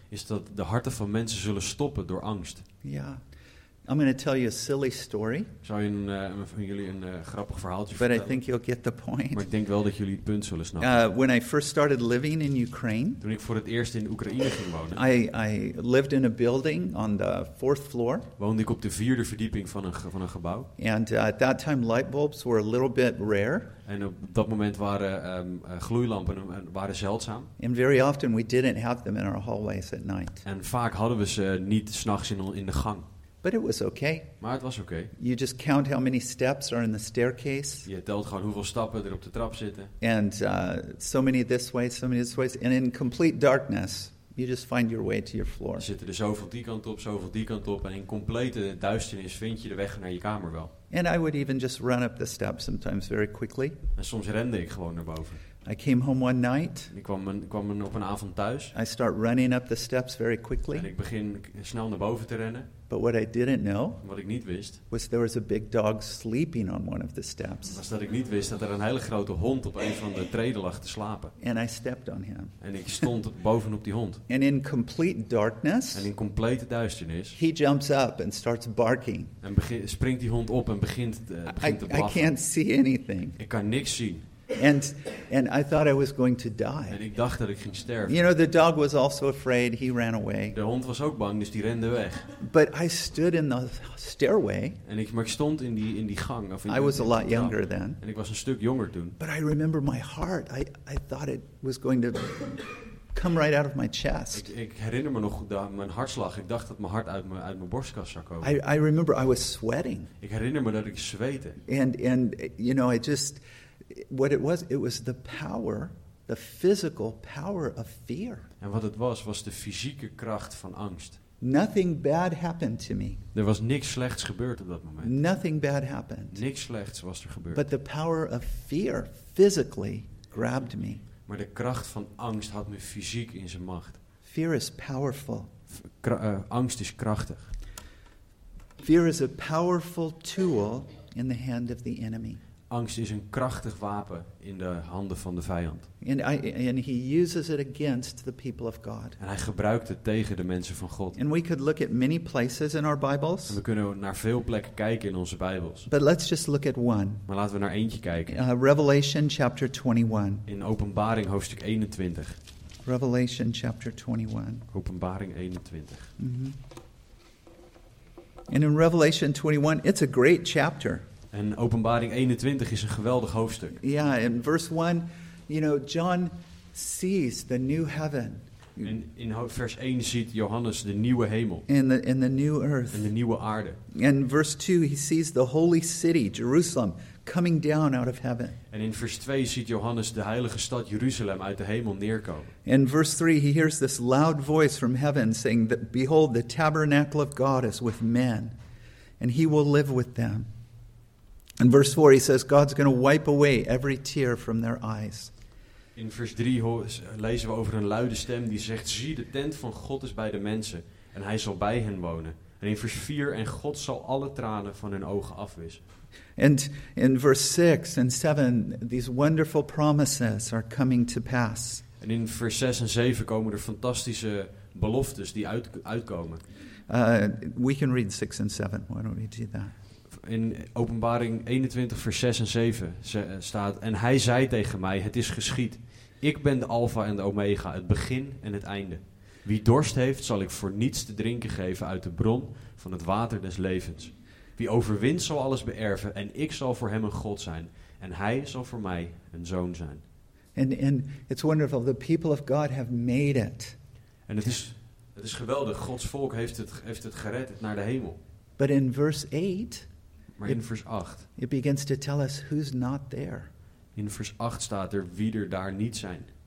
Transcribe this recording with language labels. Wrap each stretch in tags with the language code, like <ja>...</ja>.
<nl>Is dat de harten van mensen zullen stoppen door angst. Ja.</nl> <en>Yeah. I'm going to tell you a silly story.</en> <nl>Zou je van jullie een grappig verhaaltje vertellen?</nl> <en>But I think you'll get the point.</en> <nl>Maar ik denk wel dat jullie het punt zullen snappen.</nl> <en>When I first started living in Ukraine.</en> <nl>Toen ik voor het eerst in Oekraïne ging wonen.</nl> <en>I lived in a building on the fourth floor.</en> <nl>Woonde ik op de vierde verdieping van een gebouw.</nl> <en>And at that time light bulbs were a little bit rare.</en> <nl>En op dat moment waren gloeilampen waren zeldzaam.</nl> <en>And very often we didn't have them in our hallways at night.</en> <nl>En vaak hadden we ze niet 's nachts in de gang.</nl> <en>But it was okay.</en> <nl>Maar het was okay.</nl> <en>You just count how many steps are in the staircase.</en> <nl>Je telt gewoon hoeveel stappen er op de trap zitten.</nl> <en>And so many this way, so many this way, and in complete darkness, you just find your way to your floor.</en> <nl>Er zitten er zoveel die kant op, en in complete duisternis vind je de weg naar je kamer wel.</nl> <en>And I would even just run up the steps sometimes very quickly.</en> <nl>En soms rende ik gewoon naar boven.</nl> <en>I came home one night.</en> <nl>Ik kwam op een avond thuis.</nl> <en>I start running up the steps very quickly.</en> <nl>En ik begin snel naar boven te rennen.</nl> <en>But what I didn't know.</en> <nl>Wat ik niet wist.</nl> <en>Was there was a big dog sleeping on one of the steps.</en> <nl>Was dat ik niet wist dat er een hele grote hond op een van de treden lag te slapen.</nl> <en>And I stepped on him.</en> <nl>En ik stond bovenop die hond.</nl> <en>And in complete darkness.</en> <nl>En in complete duisternis.</nl> <en>He jumps up and starts barking.</en> <nl>En springt die hond op en begint te blaffen.</nl> <en>I can't see anything.</en> <nl>Ik kan niks zien.</nl> <en>And I thought I was going to die.</en> <nl>En ik dacht dat ik ging sterven.</nl> <en>You know, the dog was also afraid. He ran away.</en> <nl>De hond was ook bang, dus die rende weg.</nl> <en>But I stood in the stairway.</en> <nl>Maar ik stond in die gang. Of in</nl> <en>I was in a lot younger then.</en> <nl>En ik was een stuk jonger toen.</nl> <en>But I remember my heart. I thought it was going to come right out of my chest.</en> <nl>Ik herinner me nog mijn hartslag. Ik dacht dat mijn hart uit mijn borstkas zou komen.</nl> <en>I remember I was sweating.</en> <nl>Ik herinner me dat ik zweette.</nl> <en>And you know, I just... What it was the power, the physical power of fear.</en> <nl>En wat het was de fysieke kracht van angst.</nl> <en>Nothing bad happened to me.</en> <nl>Er was niks slechts gebeurd op dat moment.</nl> <en>Nothing bad happened.</en> <nl>Niks slechts was er gebeurd.</nl> <en>But the power of fear physically grabbed me.</en> <nl>Maar de kracht van angst had me fysiek in zijn macht.</nl> <en>Fear is powerful.</en> <nl>Angst is krachtig.</nl> <en>Fear is a powerful tool in the hand of the enemy.</en> <nl>Angst is een krachtig wapen in de handen van de vijand.</nl> <en>And he uses it against the people of God.</en> <nl>En hij gebruikt het tegen de mensen van God.</nl> <en>And we could look at many places in our Bibles.</en> <nl>En we kunnen naar veel plekken kijken in onze Bijbels.</nl> <en>But let's just look at one.</en> <nl>Maar laten we naar eentje kijken.</nl> <en>Revelation chapter 21.</en> <nl>In Openbaring hoofdstuk 21.</nl> <en>Revelation chapter 21.</en> <nl>Openbaring 21. Mm-hmm.</nl> <en>And in Revelation 21, it's a great chapter.</en> <nl>En Openbaring 21 is een geweldig hoofdstuk.</nl> <en>Ja, yeah, in verse 1, you know, John sees the new heaven.</en> <nl>En in vers 1 ziet Johannes de nieuwe hemel.</nl> <en>And the new earth.</en> <nl>En de nieuwe aarde.</nl> <en>And verse 2, he sees the holy city, Jerusalem, coming down out of heaven.</en> <nl>En in vers 2 ziet Johannes de heilige stad Jeruzalem uit de hemel neerkomen.</nl> <en>In verse 3, he hears this loud voice from heaven saying that, behold, the tabernacle of God is with men, and he will live with them. In verse 4 he says God's going to wipe away every tear from their eyes.</en> <nl>In vers 3 lezen we over een luide stem die zegt: zie, de tent van God is bij de mensen en hij zal bij hen wonen. En in vers 4: en God zal alle tranen van hun ogen afwissen.</nl> <en>And in verse 6 and 7 these wonderful promises are coming to pass.</en> <nl>En in vers 6 en 7 komen er fantastische beloftes die uitkomen.</nl> <en>We can read 6 and 7. Why don't we do that?</en> <nl>in Openbaring 21, vers 6 en 7 staat... En hij zei tegen mij, het is geschied. Ik ben de Alfa en de Omega, het begin en het einde. Wie dorst heeft, zal ik voor niets te drinken geven uit de bron van het water des levens. Wie overwint, zal alles beërven en ik zal voor hem een God zijn. En hij zal voor mij een zoon zijn.</nl> <en>And it's wonderful. The people of God have made it.</en> <nl>En het is geweldig. Gods volk heeft het gered naar de hemel.</nl> <en>But in verse 8,</en> <nl>maar in vers 8,</nl> <en>it begins to tell us who's not there.</en> <nl>In vers 8 staat er wie er daar niet zijn.</nl>